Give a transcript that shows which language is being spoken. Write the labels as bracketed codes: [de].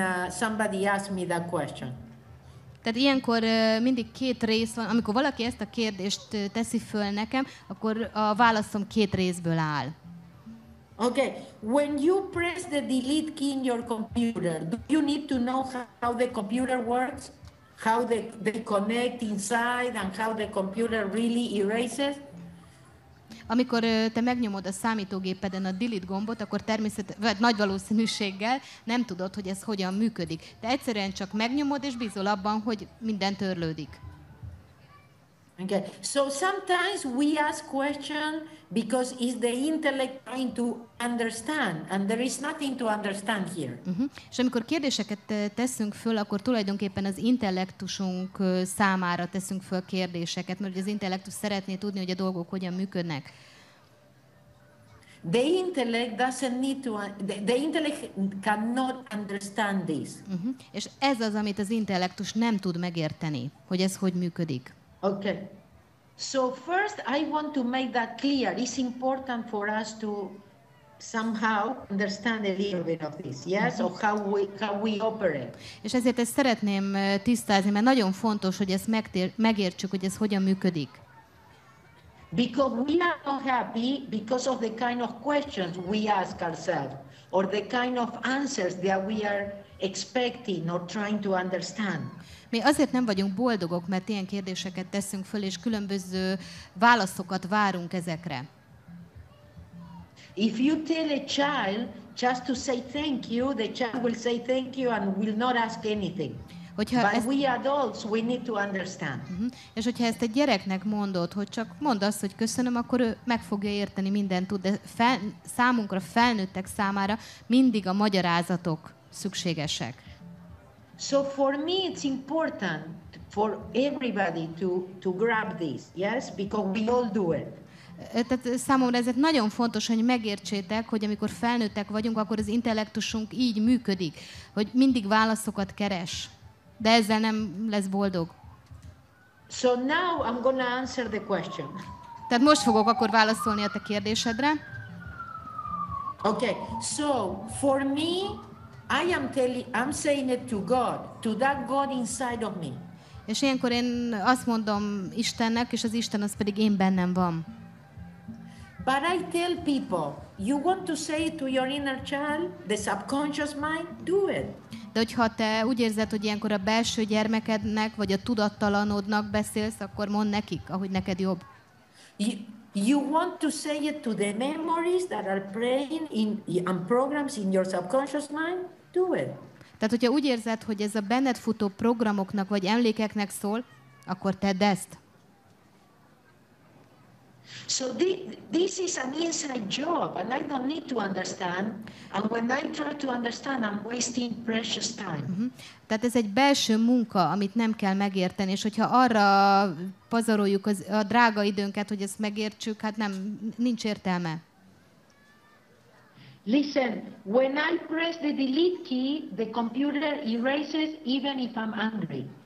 [en] Somebody asked me that question. [hu] Tehát ilyenkor mindig 2 rész van, amikor valaki ezt a kérdést teszi föl nekem, akkor a válaszom 2 részből áll. [en] Okay, when you press the delete key in your computer, do you need to know how the computer works? How they connect inside and how the computer really erases? [hu] Amikor te megnyomod a számítógépeden a delete gombot, akkor természetesen nagy valószínűséggel nem tudod, hogy ez hogyan működik. Te egyszerűen csak megnyomod és bízol abban, hogy minden törlődik. [en] Okay. So sometimes we ask question because is the intellect trying to understand, and there is nothing to understand here. [hu] És amikor kérdéseket teszünk föl, akkor tulajdonképpen az intellektusunk számára teszünk föl kérdéseket, mert az intellektus szeretné tudni, hogy a dolgok hogyan működnek. [en] The intellect doesn't need to. The intellect cannot understand this. [hu] És ez az, amit az intellektus nem tud megérteni, hogy ez hogy működik. [en] Okay, so first I want to make that clear. It's important for us to somehow understand a little bit of this, yes, or how we operate. [hu] És ezért ezt szeretném tisztázni, mert nagyon fontos, hogy ezt megértsük, hogy ez hogyan működik. [en] Because we are not happy because of the kind of questions we ask ourselves, or the kind of answers that we are expecting or trying to understand. [hu] Mi azért nem vagyunk boldogok, mert ilyen kérdéseket teszünk föl, és különböző válaszokat várunk ezekre. [en] If you tell a child just to say thank you, the child will say thank you and will not ask anything. [hu] Hogyha [en] But [hu] ezt... [en] we adults, we need to understand. [hu] És hogyha ezt egy gyereknek mondod, hogy csak mondd azt, hogy köszönöm, akkor ő meg fogja érteni, mindent tud. De számunkra, felnőttek számára mindig a magyarázatok szükségesek. [en] So for me it's important for everybody to grab this, yes? Because we all do it. [hu] Tehát számomra ez nagyon fontos, hogy megértsétek, hogy amikor felnőttek vagyunk, akkor az intellektusunk így működik, hogy mindig válaszokat keres. De ezzel nem lesz boldog. [en] So now I'm gonna answer the question. [hu] Tehát most fogok akkor válaszolni a te kérdésedre. [en] Okay, so for me, I'm saying it to God, to that God inside of me. [hu] És ilyenkor én azt mondom Istennek, és az Isten az pedig én bennem van. [en] But I tell people, you want to say it to your inner child, the subconscious mind, do it. [hu] De hogyha te úgy érzed, hogy ilyenkor a belső gyermekednek, vagy a tudattalanodnak beszélsz, akkor mondd nekik, ahogy neked jobb. [en] You want to say it to the memories that are playing in and programs in your subconscious mind? Do it. [hu] Tehát, hogyha úgy érzed, hogy ez a benned futó programoknak, vagy emlékeknek szól, akkor tedd ezt. [en] So this is an inside job and I don't need to understand and when I try to understand I'm wasting precious time. [hu] Tehát ez egy belső munka, amit nem kell megérteni, és hogyha arra pazaroljuk a drága időnket, hogy ezt megértsük, hát nem, nincs értelme. [en] Listen, when I press the delete key, the computer erases even if I'm angry.